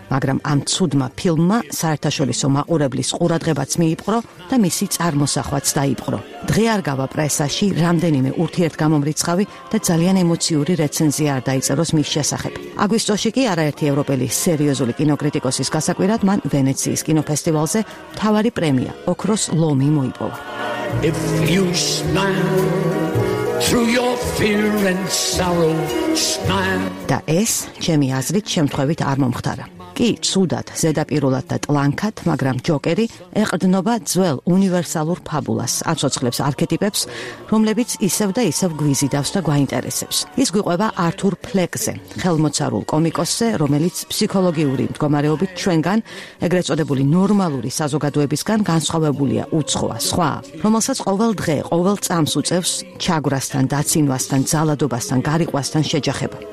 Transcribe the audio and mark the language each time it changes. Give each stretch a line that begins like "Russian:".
Georgian: მაგრამ ამ ცუდმა ფილმმა საერთაშორისო მაყურებლის ყურადღებაც მიიპყრო და მისი წარმოსახვაც დაიპყრო. დღე არ გავა პრესაში რამდენიმე ურთიერთგამომრიცხავი და ძალიან ემოციური რეცენზია არ დაიწეროს მის შესახებ. აგვისტოში კი არაერთი ევროპელი სერიოზული კინოკრიტიკოსის გასაკვირად მან ვენეციის კინოფესტივალზე მთავარი პრემია ოქროს ლომი მოიპოვა.
English: If you smile through your fear and sorrow, smile.
Georgian: და ეს ჩემი აზრით შემთხვევით არ მომხდარა. კი, ცუდად, ზედაპირულად და ტლანქად, მაგრამ ჯოკერი ეყრდნობა ძველ უნივერსალურ ფაბულას, აცოცხლებს არქეტიპებს, რომლებიც ისევ და ისევ გვიზიდავს და გვაინტერესებს. ის გვიყვება ართურ ფლეკზე, ხელმოცარულ კომიკოსზე, რომელიც ფსიქოლოგიური მდგომარეობით ჩვენგან, ეგრეთ წოდებული ნორმალური საზოგადოებისგან განსხვავებულია, უცხოა, სხვა, რომელსაც ყოველ დღე, ყოველ წამს უწევს ჩაგვრასთან, დაცინვასთან, ძალადობასთან, გარიყვასთან შეჯახება.